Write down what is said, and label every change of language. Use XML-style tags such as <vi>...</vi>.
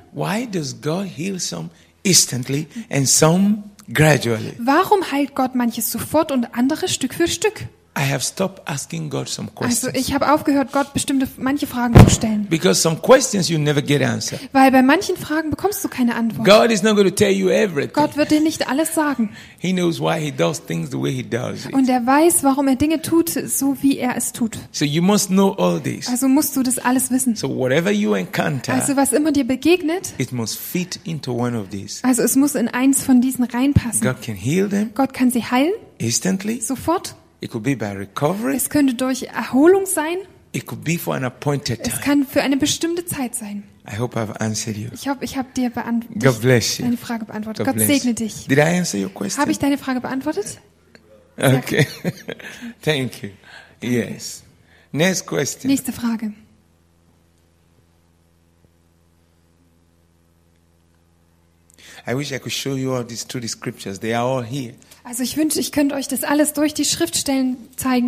<en>Why does God heal some instantly and some gradually.</en> <de>Warum heilt Gott manches sofort und andere Stück für Stück?</de> <en>I have stopped asking God some questions.</en> <de>Also ich habe aufgehört, Gott bestimmte manche Fragen zu stellen.</de> <en>Because some questions you never get answered.</en> <de>Weil bei manchen Fragen bekommst du keine Antwort.</de> <en>God is not going to tell you everything.</en> <de>Gott wird dir nicht alles sagen.</de> <en>He knows why he does things the way he does it.</en> <de>Und er weiß, warum er Dinge tut, so wie er es tut.</de> <en>So you must know all this.</en> <de>Also musst du das alles wissen.</de> <en>So whatever you encounter,</en> <de>also was immer dir begegnet,</de> <en>it must fit into one of these.</en> <de>Also es muss in eins von diesen reinpassen.</de> <en>God can heal them.</en> <de>Gott kann sie heilen.</de> <en>Instantly.</en> <de>Sofort.</de> <en>It could be by recovery.</en> <de>Es könnte durch Erholung sein.</de> <en>It could be for an appointed time.</en> <de>Es kann für eine bestimmte Zeit sein.</de> <en>I hope I've answered you.</en> <de>Ich hoffe, ich habe dir deine Frage beantwortet.</de> <en>God bless.</en> <de>Gott segne dich.</de> <en>Did I answer your question?</en> <de>Habe ich deine Frage beantwortet?</de> <en>Okay. Thank you. Yes. Next question.</en> <de>Nächste Frage.</de> <en>I wish I could show you all these through the scriptures. They are all here.</en> <de>Also ich wünsche, ich könnte euch das alles durch die Schriftstellen zeigen.</de>